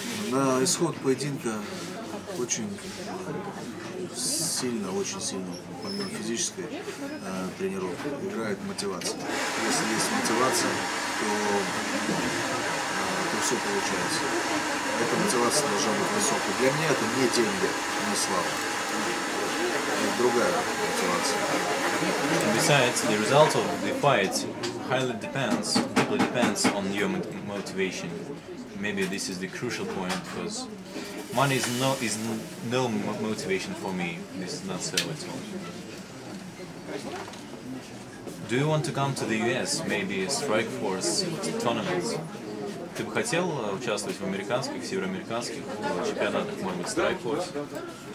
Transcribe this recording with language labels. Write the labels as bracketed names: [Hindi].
[Russian] На исход поединка очень сильно, очень сильно, помимо физической тренировки, играет мотивация. Если есть мотивация, то все получается. Эта мотивация должна быть высокой. Для меня это не деньги, не слава. Это другая мотивация. [English] And besides, the result of the fight highly depends, deeply depends on your motivation. Maybe this is the crucial point, because money is no motivation for me. This is not so at all. Do you want to come to the US, maybe strike force tournaments? [Russian] Ты бы хотел участвовать в американских, североамериканских чемпионатах, может быть, strike force?